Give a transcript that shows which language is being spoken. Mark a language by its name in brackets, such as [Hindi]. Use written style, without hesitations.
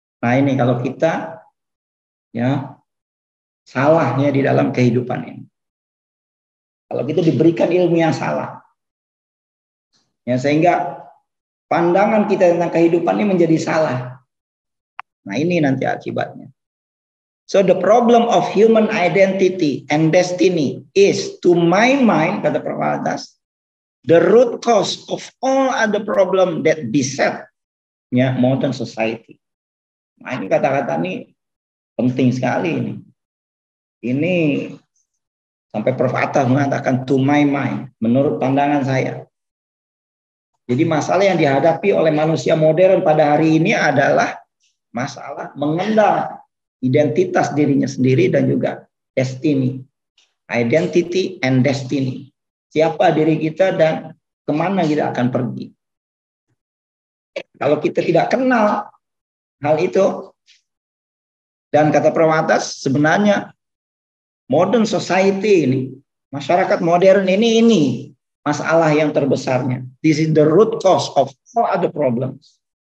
[Indonesian] Nah ini kalau kita ya salahnya di dalam kehidupan ini. Kalau kita diberikan ilmu yang salah. Ya, sehingga pandangan kita tentang kehidupan ini menjadi salah. Nah ini nanti akibatnya. [English] So the problem of human identity and destiny is, to my mind, [Indonesian] kata Prabhupada, [English] the root cause of all other problem that beset modern society. [Indonesian] Nah ini kata-kata ini penting sekali ini. Ini sampai Prabhupada mengatakan [English] to my mind, [Indonesian] menurut pandangan saya. Jadi masalah yang dihadapi oleh manusia modern pada hari ini adalah masalah mengendal identitas dirinya sendiri dan juga destiny. [English] Identity and destiny. [Indonesian] Siapa diri kita dan kemana kita akan pergi. Kalau kita tidak kenal hal itu, dan kata Prabhupada sebenarnya [English] modern society [Indonesian] ini, masyarakat modern ini, masalah yang terbesarnya. [English] This is the root cause of all other problems.